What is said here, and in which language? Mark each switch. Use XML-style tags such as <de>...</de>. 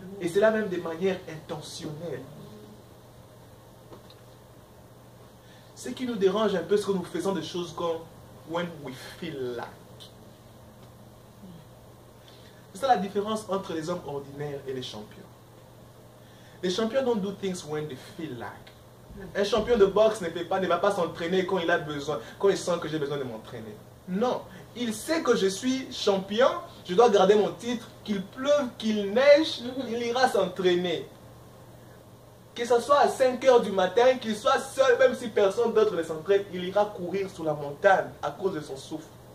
<fr>Et cela même de manière intentionnelle. Ce qui nous dérange un peu, ce que nous faisons des choses comme «</fr> <en>when we feel like ».</en> <fr>C'est ça la différence entre les hommes ordinaires et les champions. Les champions</fr> <en>don't do things when they feel like.</en> <fr>Un champion de boxe ne va pas s'entraîner quand il a besoin, quand il sent que j'ai besoin de m'entraîner. Non, il sait que je suis champion, je dois garder mon titre, qu'il pleuve, qu'il neige, il ira s'entraîner. Que ce soit à 5h du matin, qu'il soit seul, même si personne d'autre ne s'entraîne, il ira courir sur la montagne à cause de son souffle.</fr>